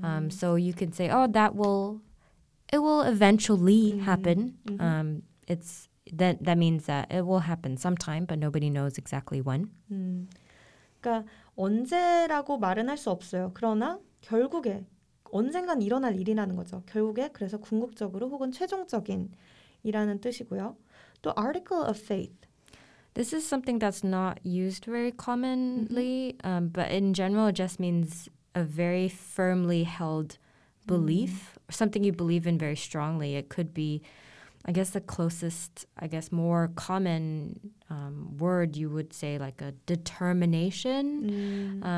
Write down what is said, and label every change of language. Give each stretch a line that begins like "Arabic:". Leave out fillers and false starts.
English: So you could say, oh, it will eventually happen. That means that it will happen sometime, but nobody knows exactly when.
Korean: 그러니까 언제라고 말은 할 수 없어요. 그러나 결국에 언젠간 일어날 일이라는 거죠. 결국에 그래서 궁극적으로 혹은 최종적인이라는 뜻이고요. 또
English: article of faith. This is something that's not used very commonly, but in general, it just means a very firmly held belief, something you believe in very strongly. It could be, I guess, the closest, I guess, more common word you would say, like a determination.